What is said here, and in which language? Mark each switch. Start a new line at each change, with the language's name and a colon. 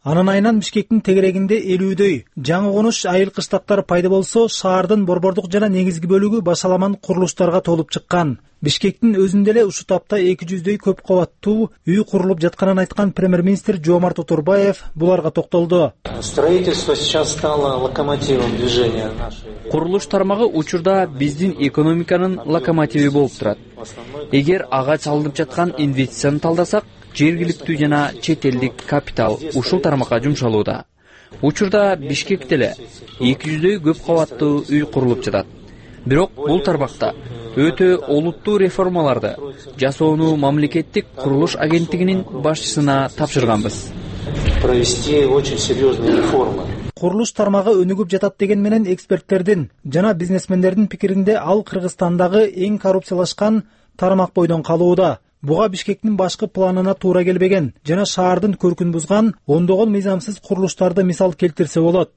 Kyrgyz: Анын айынан Бишкектин тегерегинде 50 жаңы конуш айыл кыштактар пайда болсо, шаардын борбордук жана негизги бөлүгү башаламан курулуштарга толуп чыккан. Бишкектин өзүндө эле ушул тапта 200 көп кабаттуу үй курулуп жатканын айткан премьер-министр Жомарт Оторбаев буларга токтолду.
Russian: Строительство сейчас стало локомотивом движения нашей.
Kyrgyz: Курулуш тармагы учурда биздин экономиканын локомотиви болуп турат. Эгер ага салынып жаткан инвестицияны талдасак, жергиликтүү жана чет элдик капитал ушул тармакка жумшалууда. Учурда Бишкекте эле 200 көп кабаттуу үй курулуп жатат. Бирок бул тармакта өтө олуттуу реформаларды жасоону мамлекеттик курулуш агенттигинин башчысына тапшырганбыз.
Russian: Провести очень серьезные реформы.
Kyrgyz: Курулуш тармагы өнүгүп жатат деген менен эксперттердин жана бизнесмендердин пикиринде ал Кыргызстандагы эң коррупциялашкан тармак бойдон калууда. Буга Бишкектин башкы планына туура келбеген жана шаардын көркүн бузган ондогон мыйзамсыз курулуштарды мисал келтирсе болот.